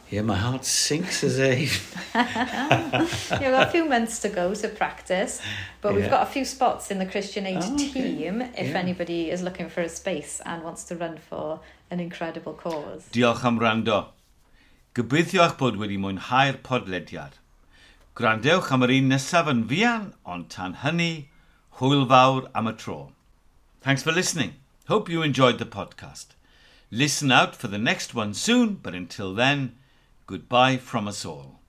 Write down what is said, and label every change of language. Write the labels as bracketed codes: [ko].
[en] Yeah, my heart sinks as a... You've got a few months to go to practice, but we've got a few spots in the Christian Aid team if anybody is looking for a space and wants to run for an incredible cause. [cy] Diolch am wrando. Gobeithio eich bod wedi mwynhau'r podlediad. Grandewch am yr un nesaf yn fuan, ond tan hynny, hwyl fawr am y tro. [en] Thanks for listening. Hope you enjoyed the podcast. Listen out for the next one soon, but until then, goodbye from us all.